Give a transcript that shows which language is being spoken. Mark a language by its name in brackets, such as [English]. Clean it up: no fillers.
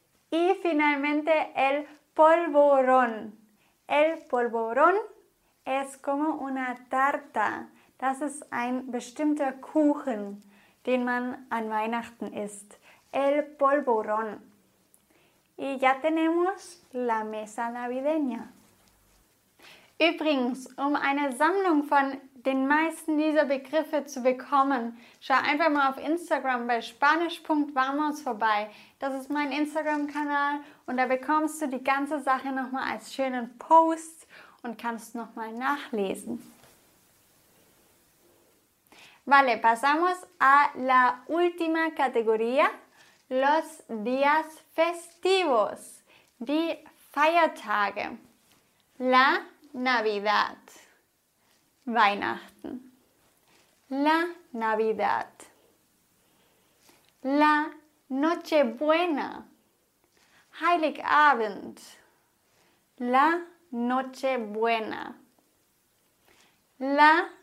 [Spanish] Y finalmente el polvorón. El polvorón es como una tarta. [German] Das ist ein bestimmter Kuchen, den man an Weihnachten isst. [Spanish] El polvorón. Y ya tenemos la mesa navideña. [German] Übrigens, um eine Sammlung von den meisten dieser Begriffe zu bekommen, schau einfach mal auf Instagram bei spanisch.vamos vorbei. Das ist mein Instagram-Kanal und da bekommst du die ganze Sache nochmal als schönen Post und kannst nochmal nachlesen. [Spanish] Vale, pasamos a la última categoría. Los días festivos, [German] die Feiertage, [Spanish] la Navidad, Weihnachten, la Navidad, la Nochebuena, Heiligabend, la Nochebuena, la